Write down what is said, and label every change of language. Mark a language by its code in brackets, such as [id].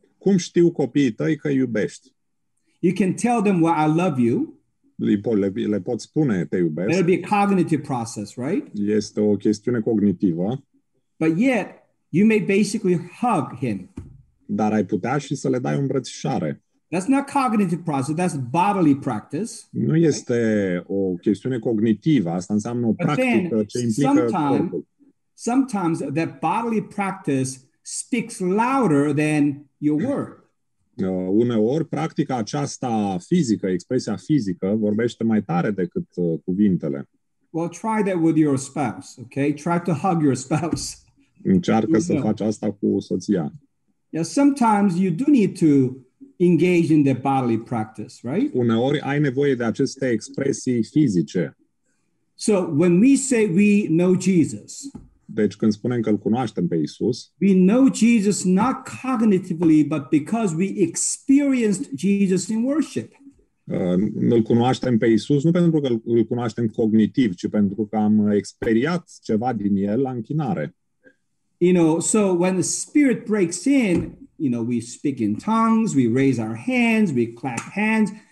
[ro] Cum știu copiii tăi că iubești? [en] You can tell them what I love you. [ro] Le pot spune te iubesc. [en] There'll be a cognitive process, right? [ro] Este o chestiune cognitivă. [en] But yet you may basically hug him. [ro] Dar ai putea și să le dai o îmbrățișare. [en] That's not cognitive process, that's bodily practice. [ro] Nu este o chestiune cognitivă, asta înseamnă o practică ce implică corpul. [en] Sometimes that bodily practice speaks louder than your word. [ro] Uneori practica aceasta fizică, expresia fizică vorbește mai tare decât cuvintele. [en] Well, try that with your spouse, okay? Try to hug your spouse. [ro] Încearcă să faci asta cu soția. [en] Yeah, sometimes you do need to engage in the bodily practice, right? [ro] Uneori ai nevoie de aceste expresii fizice. [en] So, when we say we know Jesus, [ro] deci când spunem că îl cunoaștem pe Iisus, [en] we know Jesus not cognitively, but because we experienced Jesus in worship. [ro] Îl cunoaștem pe Iisus nu pentru că îl cunoaștem cognitiv, ci pentru că am experiat ceva din el la închinare. [en] You know, so when the Spirit breaks in, you know, we speak in tongues, we raise our hands, we clap hands.